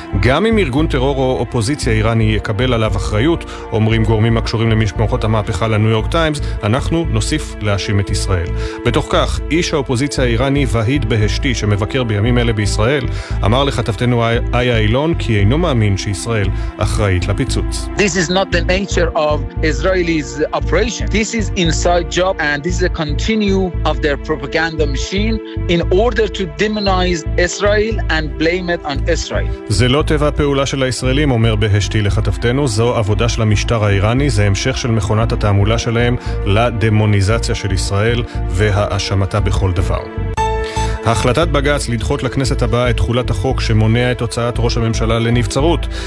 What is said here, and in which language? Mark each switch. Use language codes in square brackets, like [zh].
[he] גם אם ארגון טרור או אופוזיציה איראני יקבל עליו אחריות, אומרים גורמים הקשורים למשפחות המהפכה לניו יורק טיימס, אנחנו נוסיף להאשים את ישראל. בתוך כך, איש האופוזיציה האיראני והיד בהשתי, שמבקר בימים אלה בישראל, אמר לכתבתנו איה אילון כי אינו מאמין שישראל אחראית לפיצוץ. [en] This is not the nature of Israel is operation. This is inside job and this is a continue of their propaganda machine in order to demonize Israel and blame it on Israel. [he] זה לא טבע פעולה של הישראלים, אומר בהשתי לכתבתנו, זו עבודה של המשטר האיראני, זה המשך של מכונת התעמולה שלהם לדמוניזציה של ישראל והאשמתה בכל דבר. החלטת בגץ לדחות לכנסת הבאה את תחולת החוק שמונע את הוצאת ראש הממשלה לנבצרות.